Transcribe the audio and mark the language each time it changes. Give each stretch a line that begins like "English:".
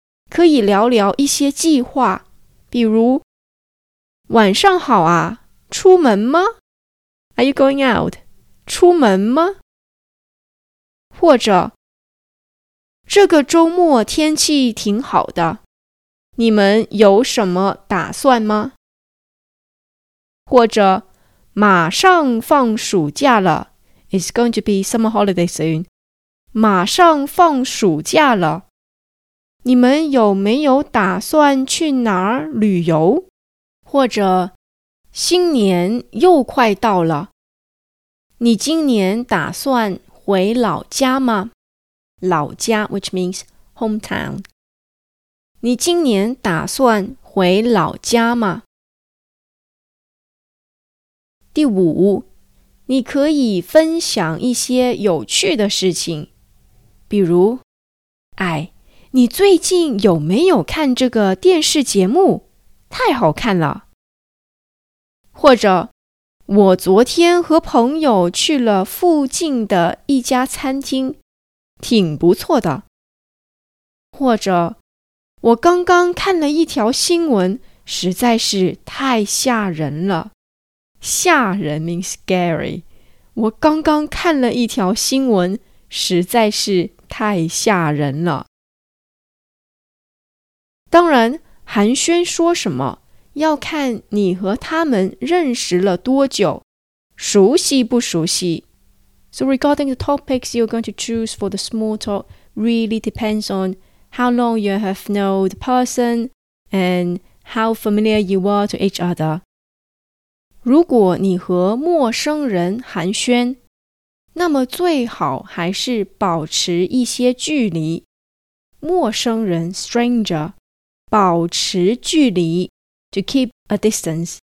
Chinese: 可以聊聊一些计划，比如，晚上好啊，出门吗？
English: Are you going out?
Chinese: 出门吗？或者，这个周末天气挺好的，你们有什么打算吗？或者，马上放暑假了，
English: It's going to be summer holiday soon.
Chinese: 马上放暑假了，你们有没有打算去哪儿旅游？或者，新年又快到了，你今年打算回老家吗？老家
English: which means hometown。
Chinese: 你今年打算回老家吗？第五，你可以分享一些有趣的事情，比如，哎，你最近有没有看这个电视节目？太好看了。或者，我昨天和朋友去了附近的一家餐厅，挺不错的。或者，我刚刚看了一条新闻，实在是太吓人了。
English: 吓人 means scary。
Chinese: 我刚刚看了一条新闻，实在是太吓人了。当然，寒暄说什么，要看你和他们认识了多久，熟悉不熟悉，
English: So regarding the topics you're going to choose for the small talk really depends on how long you have known the person and how familiar you are to each other.
Chinese: 如果你和陌生人寒暄，那么最好还是保持一些距离。陌生人
English: stranger，
Chinese: 保持距离
English: to keep a distance。